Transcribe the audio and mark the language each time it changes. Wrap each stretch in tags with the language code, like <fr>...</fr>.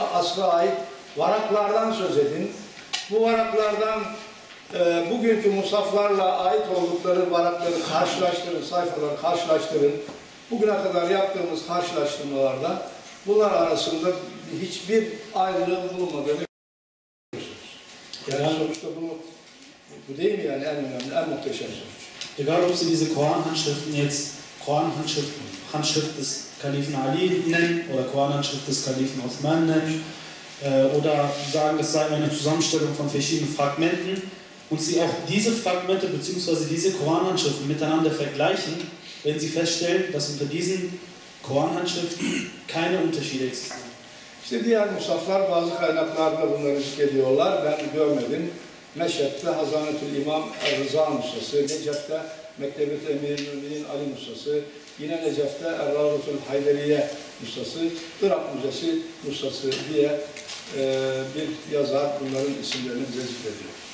<tr>asra ait varaklardan söz edin. Bu varaklardan bugünkü musaflarla ait oldukları varakları karşılaştırın, sayfaları karşılaştırın. Bugüne kadar yaptığımız karşılaştırmalarda bunlar arasında hiçbir ayrılığın bulunmadığını görüyorsunuz. Yani sonuçta bu değil mi yani en önemli, en muhteşem sonuç.</tr> <de>Egal ob Sie diese Koran-Handschriften jetzt Koran-Handschriften, Handschrift des Kalifen Ali nennen oder Koran-Handschrift des Kalifen Osman nennen oder sagen, es sei eine Zusammenstellung von verschiedenen Fragmenten und Sie auch diese Fragmente bzw. diese Koran-Handschriften miteinander vergleichen, wenn Sie feststellen, dass unter diesen Koran-Handschriften keine Unterschiede existieren.</de> <tr>İşte diğer musaflar bazı kaynaklarda bunları zikrediyorlar. Ben görmedim. Meşhed'de Hazanetül İmam Rıza Musası, Necef'te Mektebet Emirü'l-Müminin Ali Musası, yine Necef'te Er-Ravdetül Hayderiye Musası, Irak Müzesi Musası diye bir yazar bunların isimlerini bize zikrediyor.</tr>